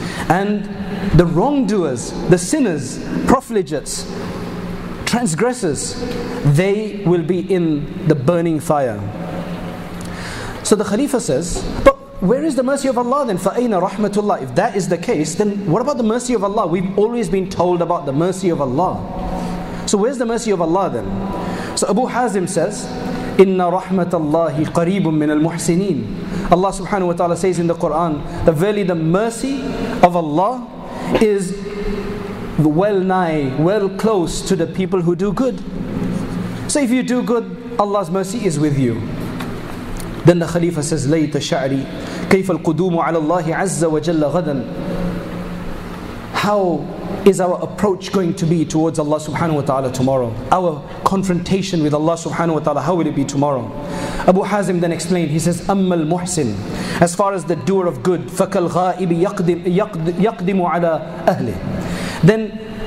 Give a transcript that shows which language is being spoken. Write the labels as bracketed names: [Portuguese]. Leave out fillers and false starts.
[English] And the wrongdoers, the sinners, profligates, transgressors, they will be in the burning fire. So the Khalifa says, but where is the mercy of Allah then? [Arabic] فَأَيْنَ رَحْمَةُ اللَّهِ. [English] If that is the case, then what about the mercy of Allah? We've always been told about the mercy of Allah. So where's the mercy of Allah then? So Abu Hazim says, [Arabic] إِنَّ رَحْمَةَ اللَّهِ قَرِيبٌ مِّنَ الْمُحْسِنِينَ. [English] Allah subhanahu wa ta'ala says in the Quran, that verily the mercy of Allah is well nigh, well close to the people who do good. So if you do good, Allah's mercy is with you. Then the Khalifa says, [Arabic] لَيْتَ شَعْرِي كَيْفَ الْقُدُومُ عَلَى اللَّهِ عَزَّ وَجَلَّ غَدًا. [English] How is our approach going to be towards Allah subhanahu wa ta'ala tomorrow? Our confrontation with Allah subhanahu wa ta'ala, how will it be tomorrow? Abu Hazim then explained, he says, [Arabic] أَمَّا الْمُحْسِنِ. [English] As far as the doer of good, [Arabic] فَكَالْغَائِبِ يَقْدِمُ عَلَى أَهْلِهِ. [English] Then